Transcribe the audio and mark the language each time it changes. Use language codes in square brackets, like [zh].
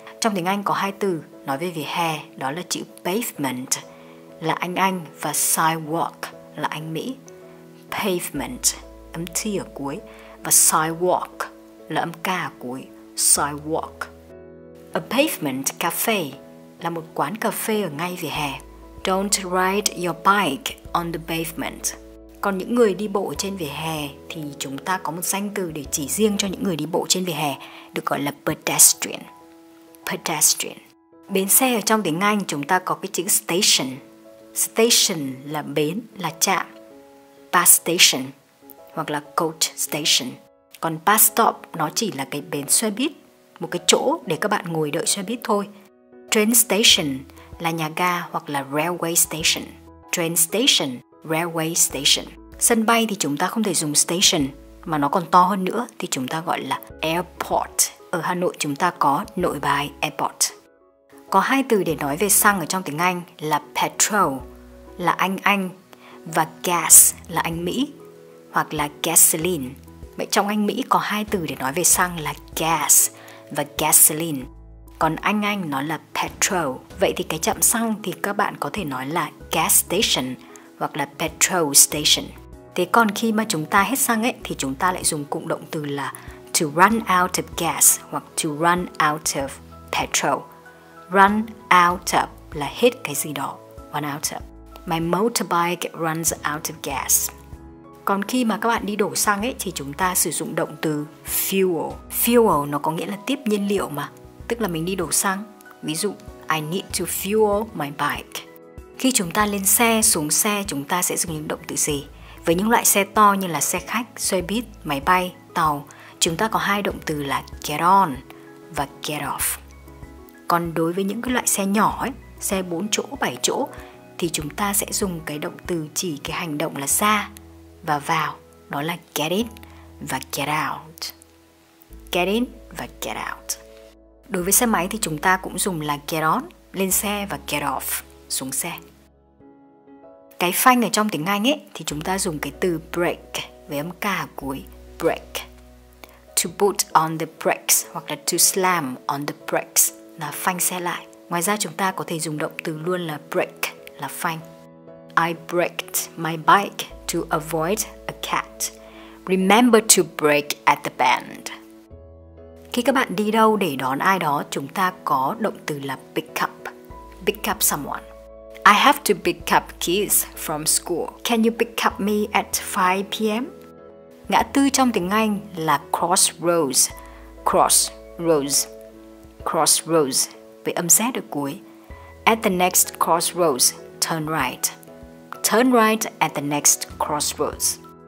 [vi] Trong tiếng Anh có hai từ nói về vỉa hè, đó là chữ pavement là Anh và sidewalk là Anh Mỹ. Pavement, âm T ở cuối, và sidewalk là âm ca cuối sidewalk. A pavement cafe là một quán cà phê ở ngay vỉa hè. [en] Don't ride your bike on the pavement. [vi] Còn những người đi bộ trên vỉa hè thì chúng ta có một danh từ để chỉ riêng cho những người đi bộ trên vỉa hè, được gọi là pedestrian. Pedestrian. Bến xe ở trong tiếng Anh chúng ta có cái chữ station. Station là bến, là trạm. Bus station hoặc là coach station. Còn bus stop nó chỉ là cái bến xe buýt, một cái chỗ để các bạn ngồi đợi xe buýt thôi. Train station là nhà ga hoặc là railway station. Train station, railway station. Sân bay thì chúng ta không thể dùng station, mà nó còn to hơn nữa thì chúng ta gọi là airport. Ở Hà Nội chúng ta có Nội Bài airport. Có hai từ để nói về xăng ở trong tiếng Anh là petrol là Anh và gas là Anh Mỹ hoặc là gasoline. Vậy trong Anh Mỹ có hai từ để nói về xăng là gas và gasoline. Còn Anh nó là petrol. Vậy thì cái trạm xăng thì các bạn có thể nói là gas station hoặc là petrol station. Thế còn khi mà chúng ta hết xăng ấy thì chúng ta lại dùng cụm động từ là to run out of gas hoặc to run out of petrol. Run out of là hết cái gì đó. Run out of. [en] My motorbike runs out of gas. [vi] Còn khi mà các bạn đi đổ xăng ấy thì chúng ta sử dụng động từ fuel. Fuel nó có nghĩa là tiếp nhiên liệu mà. Tức là mình đi đổ xăng. Ví dụ, [en] I need to fuel my bike. [vi] Khi chúng ta lên xe, xuống xe, chúng ta sẽ dùng những động từ gì? Với những loại xe to như là xe khách, xe buýt, máy bay, tàu, chúng ta có hai động từ là get on và get off. Còn đối với những cái loại xe nhỏ ấy, xe 4 chỗ, 7 chỗ, thì chúng ta sẽ dùng cái động từ chỉ cái hành động là ra và vào, đó là get in và get out. Get in và get out. Đối với xe máy thì chúng ta cũng dùng là get on, lên xe và get off, xuống xe. Cái phanh ở trong tiếng Anh ấy thì chúng ta dùng cái từ brake với âm ca cuối, brake. [en] To put on the brakes [vi] hoặc là [en] to slam on the brakes [vi] là phanh xe lại. Ngoài ra chúng ta có thể dùng động từ luôn là brake là phanh. [en] I braked my bike to avoid a cat. Remember to brake at the bend. [vi] Khi các bạn đi đâu để đón ai đó, chúng ta có động từ là pick up. [en] Pick up someone. I have to pick up kids from school. Can you pick up me at 5 p.m.? [vi] Ngã tư trong tiếng Anh là crossroads. Crossroads. Crossroads. Với âm Z ở cuối. [en] At the next crossroads, turn right. Turn right at the next crossroads.